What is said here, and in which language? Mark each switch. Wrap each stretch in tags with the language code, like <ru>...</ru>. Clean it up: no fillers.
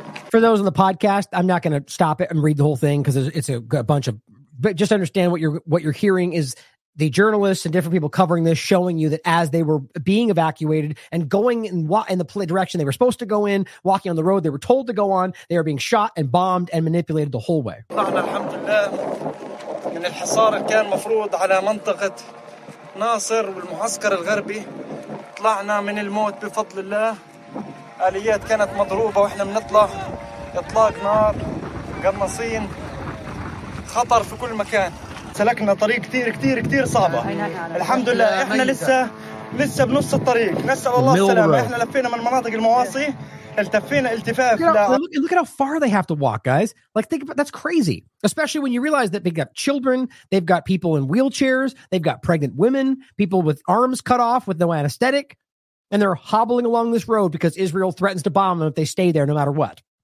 <en>For those on the podcast, I'm not going to stop it and read the whole thing because it's a bunch of, but just understand what you're hearing is the journalists and different people covering this, showing you that as they were being evacuated and going in the direction they were supposed to go in, walking on the road they were told to go on, they are being shot and bombed and manipulated the whole way.</en> <ar>آليات كانت مضروبة وإحنا بنطلع إطلاق نار قناصين خطر في كل مكان سلكنا طريق كتير كتير كتير صعبة الحمد لله إحنا لسه بنص الطريق نسأل الله السلامة إحنا لفينا من مناطق المواصي التفينا التفاف.</ar> <en>Look at how far they have to walk, guys. Like, think about, that's crazy. Especially when you realize that they've got children, they've got people in wheelchairs, they've got pregnant women, people with arms cut off with no anesthetic. And they're hobbling along this road because Israel threatens to bomb them if they stay there no matter what.</en>